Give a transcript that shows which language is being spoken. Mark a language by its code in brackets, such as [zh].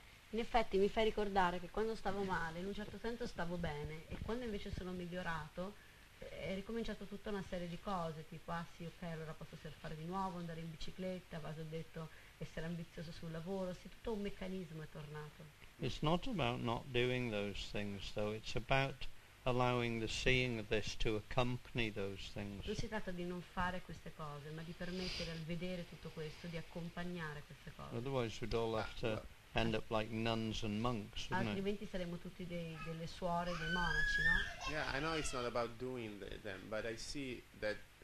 [it] In effetti mi fai ricordare che quando stavo male, in un certo senso stavo bene, e quando invece sono migliorato è ricominciato tutta una serie di cose, tipo ah sì, ok, allora posso surfare di nuovo, andare in bicicletta, vado, ho detto essere ambizioso sul lavoro, sì, tutto un meccanismo è tornato. [en] It's not about not doing those things though, it's about allowing the seeing of this to accompany those things. [it] Non si tratta di non fare queste cose, ma di permettere al vedere tutto questo di accompagnare queste cose. [en] Otherwise we'd all have to end up like nuns and monks, wouldn't it? [it] Altrimenti saremmo tutti delle suore, dei monaci, no? [en] Yeah, I know it's not about doing them, but I see that